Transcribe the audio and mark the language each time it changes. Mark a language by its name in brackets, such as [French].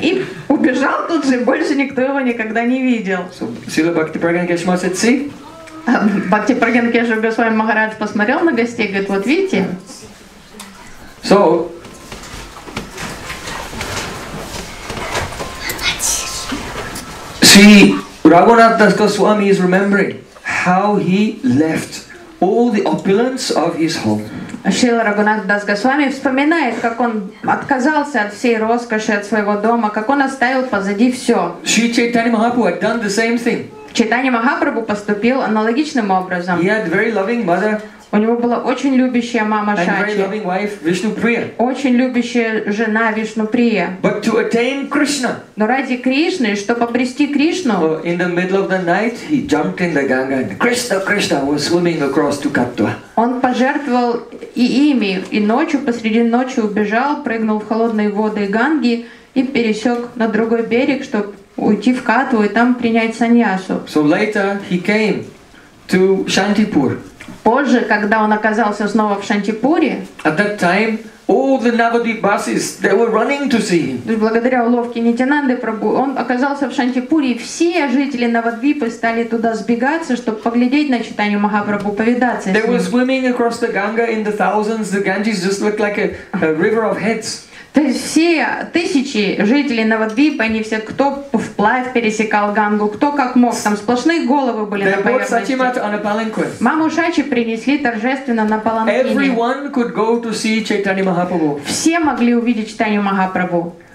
[Russian] И убежал тут же, больше никто его никогда не видел. [English] So Srila Bhakti Pragyan Keshava said, see? [Russian] Бхакти Прагьян Кешава Госвами Махарадж посмотрел на гостей, говорит, вот видите? [English] So see, Raghunath Das Goswami is remembering how he left all the opulence of his home. [Russian] Шрила Рагунатх Дас Госвами вспоминает, как он отказался от всей роскоши, от своего дома, как он оставил позади все. [English] Шри Чайтанья Махапрабху had done the same thing. [Russian] Чайтанья Махапрабху поступил аналогичным образом. [English] He had a very loving mother, [Russian] У него была очень любящая мама Шачи. [English] And very loving wife, Вишнуприя. [Russian] Очень любящая жена Вишнуприя. [English] But to attain Krishna. [Russian] Но ради Кришны, чтобы обрести Кришну. [English] In the middle of the night, he jumped in the Ganga and Krishna, Krishna was swimming across to Katva. [Russian] Он пожертвовал и ими, и ночью, посреди ночи убежал, прыгнул в холодные воды Ганги и пересек на другой берег, чтобы уйти в Катву и там принять саньясу. [English] So later he came to Shantipur. [Russian] Позже, когда он оказался снова в Шантипуре, [English] at that time, all the Navadvip buses, they were running to see him. [Russian] Благодаря уловке Нитянанды Прабху, он оказался в Шантипуре, и все жители Навадвипы стали туда сбегаться, чтобы поглядеть на читание Махапрабху, повидаться с ним. [English] They were swimming across the Ganga in the thousands. The Ganges just looked like a river of heads. [Russian] То есть все тысячи жителей Навадвипа, они все, кто вплавь пересекал Гангу, кто как мог, там сплошные головы были на поверхности. Маму Шачи принесли торжественно на паланкине. [English] Everyone could go to see Chaitanya Mahaprabhu. [Russian] Все могли увидеть Чайтанью Махапрабху.